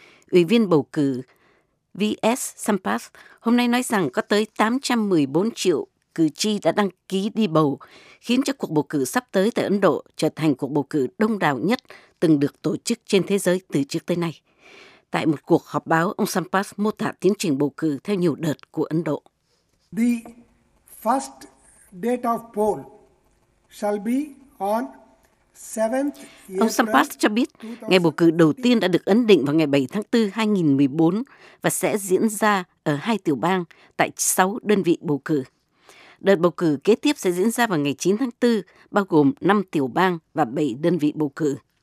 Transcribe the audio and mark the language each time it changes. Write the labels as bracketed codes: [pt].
[vi] Ủy viên bầu cử V.S. Sampath hôm nay nói rằng có tới 814 triệu cử tri đã đăng ký đi bầu, khiến cho cuộc bầu cử sắp tới tại Ấn Độ trở thành cuộc bầu cử đông đảo nhất từng được tổ chức trên thế giới từ trước tới nay. Tại một cuộc họp báo, ông Sampath mô tả tiến trình bầu cử theo nhiều đợt của Ấn Độ. [en] The first date of poll shall be on 7th April. [vi] Ông Sampath cho biết ngày bầu cử đầu tiên đã được ấn định vào ngày 7 tháng 4 2014 và sẽ diễn ra ở hai tiểu bang tại 6 đơn vị bầu cử. Đợt bầu cử kế tiếp sẽ diễn ra vào ngày 9 tháng 4, bao gồm 5 tiểu bang và 7 đơn vị bầu cử.